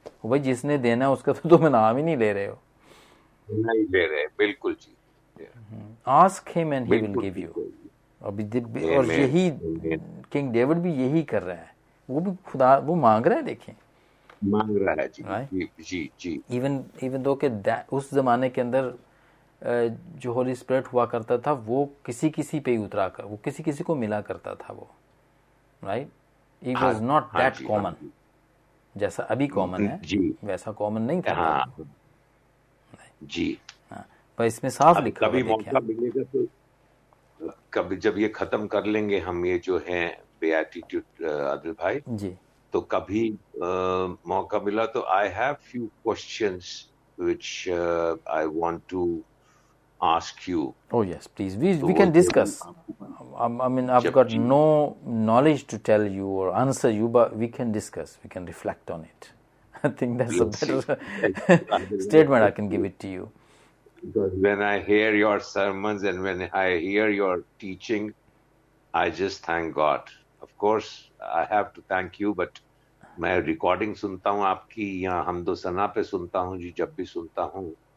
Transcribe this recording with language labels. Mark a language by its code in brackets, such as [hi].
[ur] بھائی جس نے دینا ہے اس کا تو تم نام ہی نہیں لے رہے ہو. نہیں لے رہے, بالکل جی. [en] Ask him and he will give you. [ur] اور یہی کنگ ڈیوڈ بھی یہی کر رہا ہے, وہ بھی خدا, وہ مانگ رہا ہے, دیکھیں. مانگ رہا ہے جی جی جی [en] even though [ur] کہ اس زمانے کے اندر جو ہولی اسپرٹ ہوا کرتا تھا وہ کسی کسی پہ ہی اترا کر وہ کسی کسی کو ملا کرتا تھا وہ [en] right it was not that common [ur] جیسا ابھی کامن ہے جی ویسا کامن نہیں تھا جی پر اس میں صاف لکھا کبھی موقع ملے گا تو کبھی جب یہ ختم کر لیں گے ہم یہ جو ہیں بے ایٹیٹیوڈ عادل بھائی جی تو کبھی موقع ملا تو [en] I have few questions which I want to ask you. Oh yes, please. We can discuss. I mean, I've got no knowledge to tell you or answer you, but we can discuss. We can reflect on it. I think that's a better statement I can give it to you. Because when I hear your sermons and when I hear your teaching, I just thank God. Of course, I have to thank you, but [ur] میں recording سنتا ہوں آپ کی یا حمد و ثنا پہ سنتا ہوں جی جب بھی سنتا ہوں